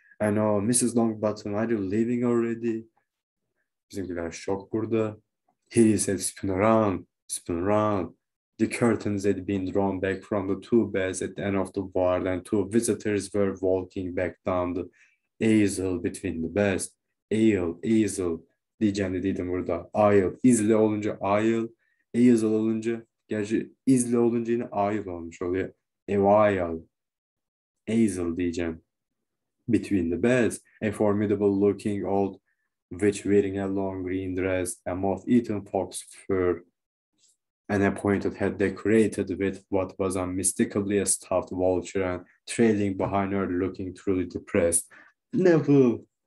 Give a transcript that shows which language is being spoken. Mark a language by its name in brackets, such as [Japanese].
[English] "I know, Mrs. Longbottom, are you leaving already?" [Turkish] Bizimkiler şok burada. [English] He said, "Spin around, spin around." The curtains had been drawn back from the two beds at the end of the ward, and two visitors were walking back down the aisle between the beds. [Turkish] Aisle, diyeceğim de dedim burada. Aisle, izle olunca aisle, aisle olunca, gerçi izle olunca yine aisle olmuş oluyor. Aisle, aisle diyeceğim. [English] Between the beds, a formidable looking old witch wearing a long green dress, a moth-eaten fox fur, and a pointed head decorated with what was unmistakably a stuffed vulture, and trailing behind her, looking truly depressed. "Neville!"